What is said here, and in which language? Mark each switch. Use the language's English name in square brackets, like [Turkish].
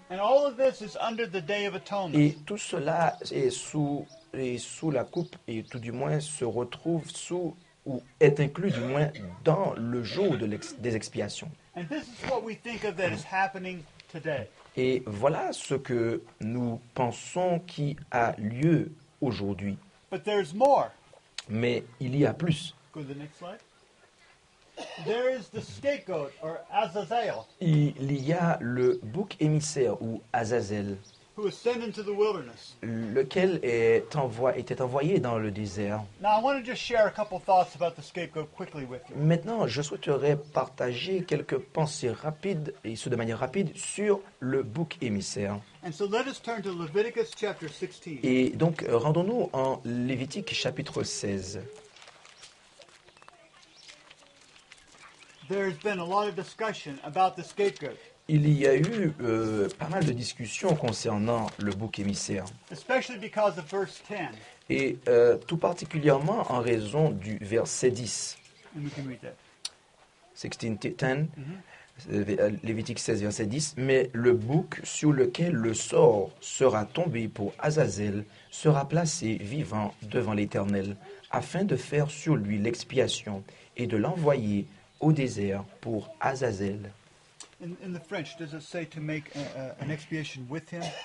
[English] And all of this is under the Day of Atonement. [French] Et tout cela est sous la coupe, et tout du moins se retrouve sous, ou est inclus du moins dans le jour des expiations. [English] And this is what we think of that is happening today. [French] Et voilà ce que nous pensons qui a lieu aujourd'hui. [English] But there's more. [French] Mais il y a plus. [English] Go to the next slide. There is the scapegoat or Azazel. [French] Il y a le bouc émissaire ou Azazel. [English] Who was sent into the wilderness. [French] Lequel était envoyé dans le désert. [English] Now I want to just share a couple thoughts about the scapegoat quickly with you. [French] Maintenant, je souhaiterais partager quelques pensées rapides, et ce de manière rapide, sur le bouc émissaire. [English] And so let us turn to Leviticus chapter 16. [French] Et donc rendons-nous en Lévitique chapitre 16. [English] There has been a lot of discussion about the scapegoat. [French] Il y a eu pas mal de discussions concernant le bouc émissaire. [English] Especially because of verse 10. [French] Et tout particulièrement en raison du verset 10. [English] And we can read that. [French] 16:10. Lévitique 16, verset 10. Mais le bouc sur lequel le sort sera tombé pour Azazel sera placé vivant devant l'Éternel afin de faire sur lui l'expiation et de l'envoyer au désert pour Azazel. [English] In the French, does it say to make an expiation with him?